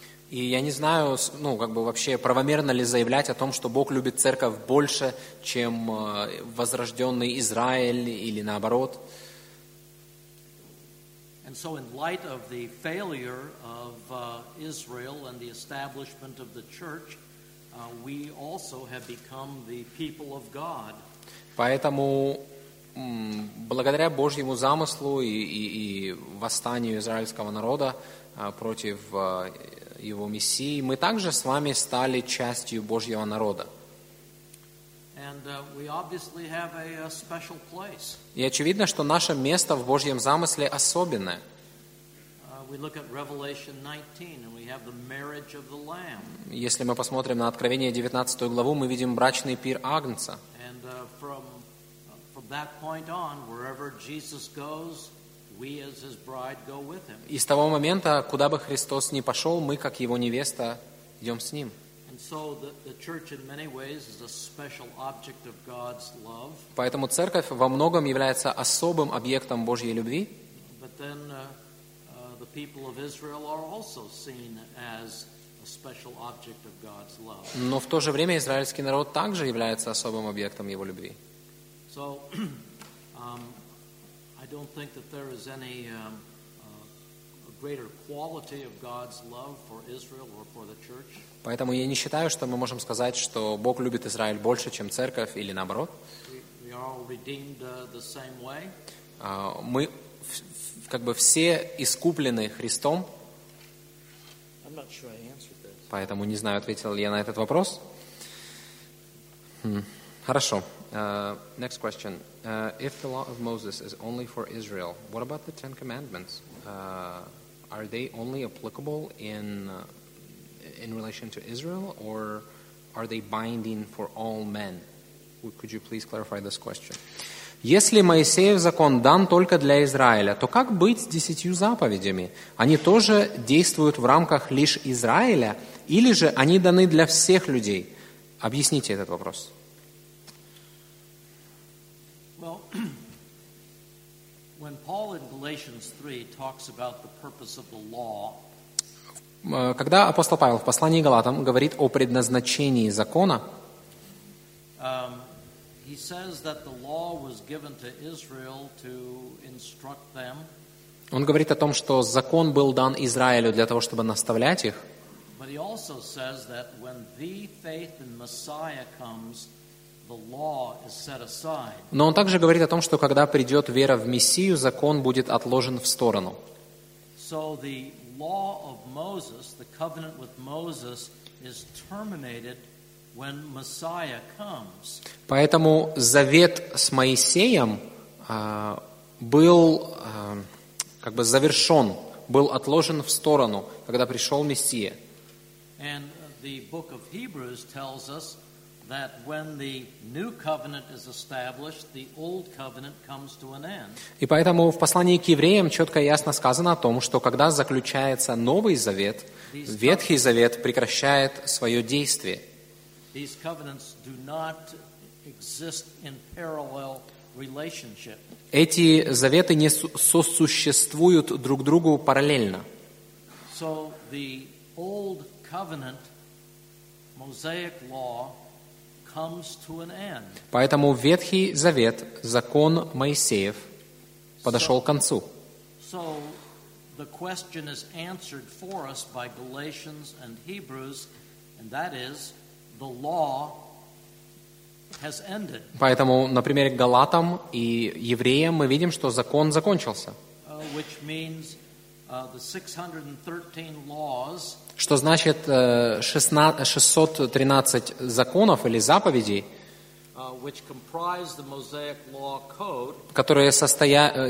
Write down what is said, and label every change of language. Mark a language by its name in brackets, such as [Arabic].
[Russian] И я не знаю, ну, как бы вообще, правомерно ли заявлять о том, что Бог любит церковь больше, чем возрожденный Израиль или наоборот. [English] And so in light of the failure of Israel and the establishment of the church, we also have become the people of God. [Russian] Поэтому благодаря Божьему замыслу и восстанию израильского народа против его мессии, мы также с вами стали частью Божьего народа. [English] And we obviously have a special place. [Russian] И очевидно, что наше место в Божьем замысле особенное. [English] We look at Revelation 19 and we have the marriage of the Lamb. [Russian] Если мы посмотрим на Откровение 19 главу, мы видим брачный пир Агнца. [English] And from that point on, wherever Jesus goes, we as his bride go with him. [Russian] И с того момента, куда бы Христос ни пошёл, мы как его невеста идём с ним. [English] And so the church in many ways is a special object of God's love. [Russian] Поэтому церковь во многом является особым объектом Божьей любви. [English] But then the people of Israel are also seen as a special object of God's love. [Russian] Но в то же время израильский народ также является особым объектом его любви. [English] So I don't think that there is any greater quality of God's love for Israel or for the church. [Russian] Поэтому я не считаю, что мы можем сказать, что Бог любит Израиль больше, чем церковь, или наоборот. [English] We are all redeemed the same way. [Russian] Мы как бы все искуплены Христом. [English] I'm not sure I answered this. [Russian] Поэтому не знаю, ответил ли я на этот вопрос. Хорошо. [English] Next question. If the law of Moses is only for Israel, what about the Ten Commandments? Are they only applicable in relation to Israel, or are they binding for all men? Could you please clarify this question? [Russian] Если Моисеев закон дан только для Израиля, то как быть с десятью заповедями? Они тоже действуют в рамках лишь Израиля, или же они даны для всех людей? Объясните этот вопрос. [English] Well, when Paul in Galatians 3 talks about the purpose of the law, [Russian] когда апостол Павел в послании к Галатам говорит о предназначении закона, [English] he says that the law was given to Israel to instruct them. [Russian] Он говорит о том, что закон был дан Израилю для того, чтобы наставлять их. [English] But he also says that when the faith in Messiah comes, the law is set aside. [Russian] Но он также говорит о том, что когда придет вера в Мессию, закон будет отложен в сторону. [English] So the law of Moses, the covenant with Moses, is terminated when Messiah comes. [Russian] Поэтому завет с Моисеем был как бы завершён, был отложен в сторону, когда пришёл Мессия. [English] And the book of Hebrews tells us that when the new covenant is established, the old covenant comes to an end. [Russian] И поэтому в послании к евреям чётко и ясно сказано о том, что когда заключается новый завет, ветхий завет прекращает своё действие. [English] These covenants do not exist in parallel relationship. [Russian] Эти заветы не сосуществуют друг другу параллельно. [English] So the old covenant, Mosaic law, comes to an end. [Russian] Поэтому Ветхий Завет, закон Моисеев, подошёл к концу. [English] So the question is answered for us by Galatians and Hebrews, and that is the law has ended. [Russian] Поэтому, например, Галатам и Евреям мы видим, что закон закончился. [English] Which means the 613 laws. [Russian] Что значит 613 законов или заповедей, [English] which comprise the Mosaic law code,